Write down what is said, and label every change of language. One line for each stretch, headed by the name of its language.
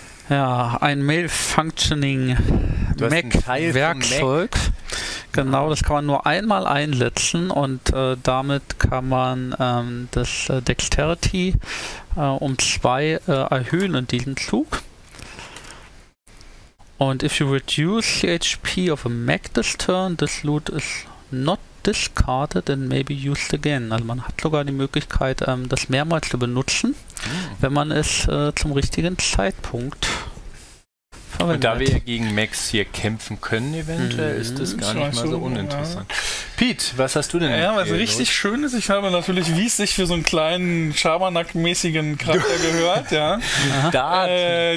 German: Ja, ein Malfunctioning Mac-Werkzeug. Genau, das kann man nur einmal einsetzen und damit kann man das Dexterity um 2 erhöhen in diesem Zug. Und
English: if you reduce the HP of a Mac this turn, this loot is not discarded and may be used again.
German: Also man hat sogar die Möglichkeit, das mehrmals zu benutzen, wenn man es zum richtigen Zeitpunkt verwendet. Und da wir gegen Macs hier kämpfen können eventuell, ist das gar nicht mal so uninteressant. Ja. Pete, was hast du denn? Ja, was richtig schön ist, ich habe natürlich, wie es sich für so einen kleinen Schabernack-mäßigen Charakter gehört, ja.